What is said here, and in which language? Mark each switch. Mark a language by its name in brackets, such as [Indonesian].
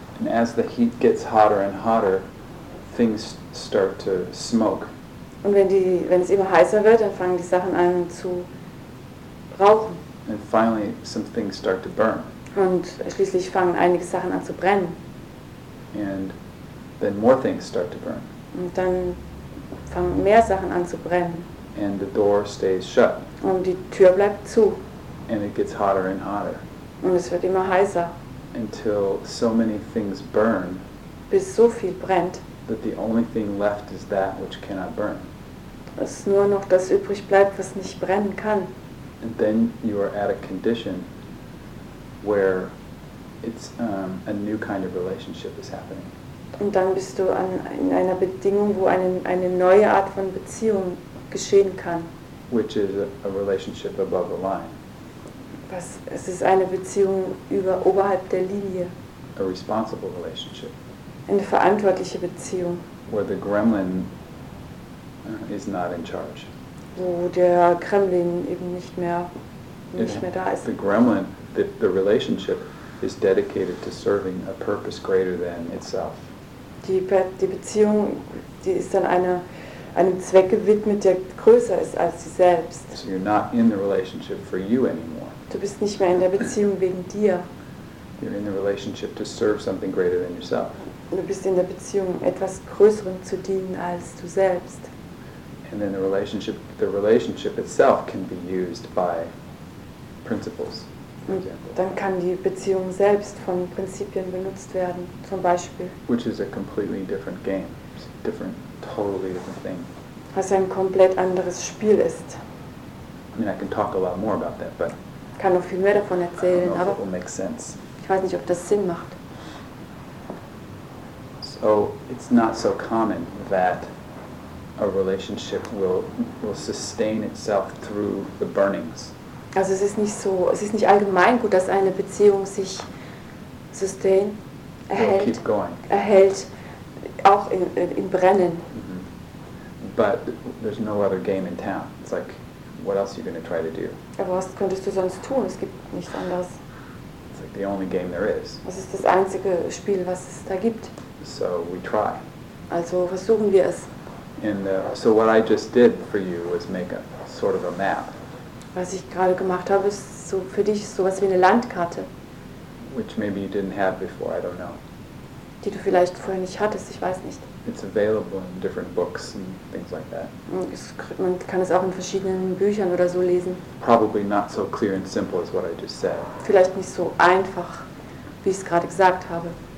[English] And as the heat gets hotter and hotter, things start to smoke. [German] Und wenn es immer heißer wird, dann fangen die Sachen an zu rauchen. [English] And finally, some things start to burn. [German] Und schließlich fangen einige Sachen an zu brennen. [English] And then more things start to burn. [German] Und dann fangen mehr Sachen an zu brennen. [English] And the door stays shut. [German] Und die Tür bleibt zu. [English] And it gets hotter and hotter. [German] Und es wird immer heißer. [English] Until so many things burn. [German] Bis so viel brennt. [English] That the only thing left is that which cannot burn. [German] Dass nur noch das übrig bleibt, was nicht brennen kann. [English] And then you are at a condition where it's a new kind of relationship is happening. [German] Und dann bist du in einer Bedingung, wo eine neue Art von Beziehung geschehen kann. [English] Which is a relationship above the line. [German] Es ist eine Beziehung oberhalb der Linie. [English] A responsible relationship. [German] Eine verantwortliche Beziehung. [English] Where the Gremlin is not in charge. [German] Wo der Gremlin eben nicht mehr da ist. [English] The Gremlin, the relationship is dedicated to serving a purpose greater than itself. [German] Die Beziehung, die ist dann einem Zweck gewidmet, der größer ist als sie selbst. [English] So you're not in the relationship for you anymore. [German] Du bist nicht mehr in der Beziehung wegen dir. [English] You're in the relationship to serve something greater than yourself. [German] Du bist in der Beziehung, etwas Größerem zu dienen als du selbst. [English] And then the relationship itself can be used by principles. [German] Dann kann die Beziehung selbst von Prinzipien benutzt werden, zum Beispiel. [English] Which is a completely different game. It's a different, totally different thing. [German] Was ein komplett anderes Spiel ist. [English] I mean, I can talk a lot more about that, but [German] kann noch viel mehr davon erzählen, [English] I don't know if it will make sense. [German] Ich weiß nicht, ob das Sinn macht. [English] So it's not so common that a relationship will sustain itself through the burnings. [German] Also es ist nicht so, es ist nicht allgemein gut, dass eine Beziehung sich sustain erhält, [English] keep going. [German] Erhält auch in Brennen. [English] Mm-hmm. But there's no other game in town. It's like, what else are you going to try to do? [German] Aber was könntest du sonst tun? Es gibt nichts anderes. [English] It's like the only game there is. [German] Was ist das einzige Spiel, was es da gibt? [English] So we try. [German] Also versuchen wir es. [English] And so what I just did for you was make a sort of a map. [German] Was ich gerade gemacht habe, ist so für dich sowas wie eine Landkarte. [English] Which maybe you didn't have before, I don't know. [German] Die du vielleicht vorher nicht hattest, ich weiß nicht. [English] It's available in different books and things like that. [German] Man kann es auch in verschiedenen Büchern oder so lesen. [English] Probably not so clear and simple as what I just said. [German] Vielleicht nicht so einfach, wie ich es gerade gesagt habe.